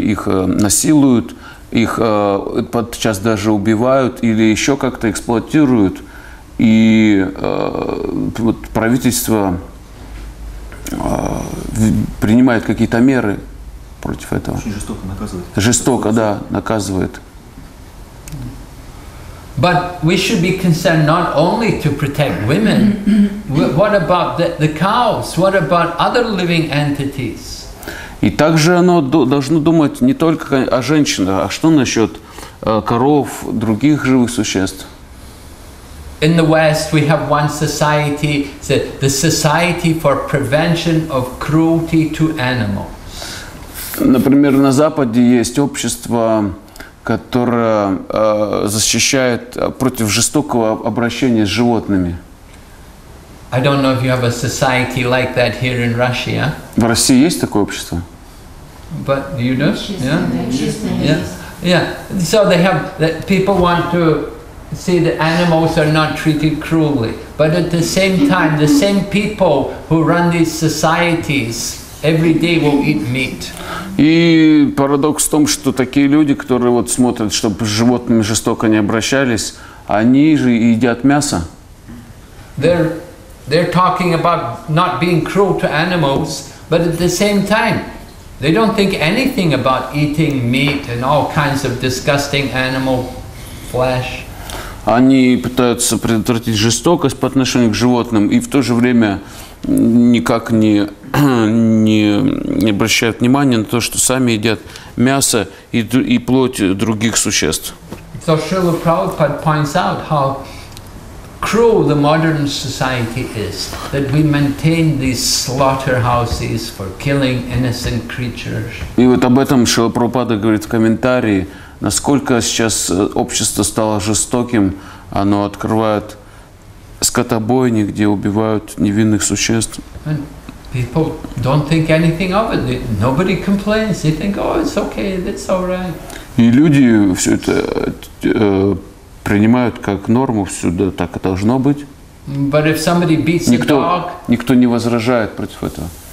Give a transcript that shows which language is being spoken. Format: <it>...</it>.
<ru>Их насилуют, их подчас даже убивают или еще как-то эксплуатируют. И вот правительство принимает какие-то меры против этого. Очень жестоко наказывает. Жестоко, да, наказывает.</ru> <en>But we should be concerned not only to protect women. What about the cows? What about other living entities?</en> <ru>И также оно должно думать не только о женщинах, а что насчет коров, других живых существ?</ru> <en>In the West we have one society, the Society for Prevention of Cruelty to Animals.</en> <ru>Например, на Западе есть общество, которое защищает против жестокого обращения с животными.</ru> <en>I don't know if you have a society like that here in Russia.</en> <ru>В России есть такое общество?</ru> <en>But do you know? Yeah. So they have that people want to see the animals are not treated cruelly. But at the same time, the same people who run these societies every day will eat meat.</en> <ru>И парадокс в том, что такие люди, которые вот смотрят, чтобы с животными жестоко не обращались, они же и едят мясо.</ru> <en>They're talking about not being cruel to animals, but at the same time, they don't think anything about eating meat and all kinds of disgusting animal flesh.</en> <ru>Они пытаются предотвратить жестокость по отношению к животным и в то же время никак не обращают внимания на то, что сами едят мясо и плоть других существ.</ru> <en>So Srila Prabhupada points out how cruel the modern society is, that we maintain these slaughterhouses for killing innocent creatures.</en> <ru>И вот об этом Шрила Прабхупада говорит в комментарии, насколько сейчас общество стало жестоким, оно открывает скотобойни, где убивают невинных существ.</ru> <en>And people don't think anything of it. Nobody complains. They think, oh, it's okay, that's all right.</en> <ru>И люди все это принимают как норму всюду, так и должно быть. Никто не возражает против этого.</ru>